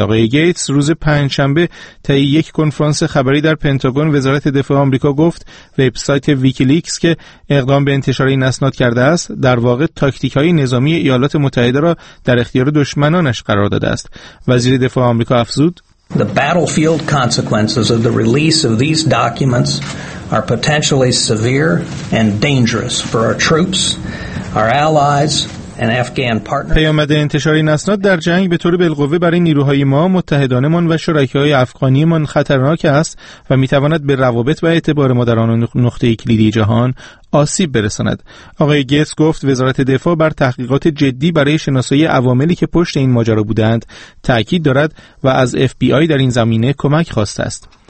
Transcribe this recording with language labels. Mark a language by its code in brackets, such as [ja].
[fa] آقای گیتس روز پنجشنبه طی یک کنفرانس خبری در پنتاگون وزارت دفاع آمریکا گفت وبسایت ویکی‌لیکس که اقدام به انتشار این اسناد کرده است در واقع تاکتیک‌های نظامی ایالات متحده را در اختیار دشمنانش قرار داده است. وزیر دفاع آمریکا افزود [en] The battlefield consequences of the release of these documents are potentially severe and dangerous for our troops, our allies, and Afghan partners. [fa] پیامد انتشار این اسناد در جنگ به طور بالقوه برای نیروهای ما، متحدانمان و شرکای افغانیمان خطرناک است و میتواند به روابط و اعتبار ما در آن نقطه کلیدی جهان آسیب برساند. آقای گیتس گفت وزارت دفاع بر تحقیقات جدی برای شناسایی عواملی که پشت این ماجرا بودند تاکید دارد و از FBI در این زمینه کمک خواسته است.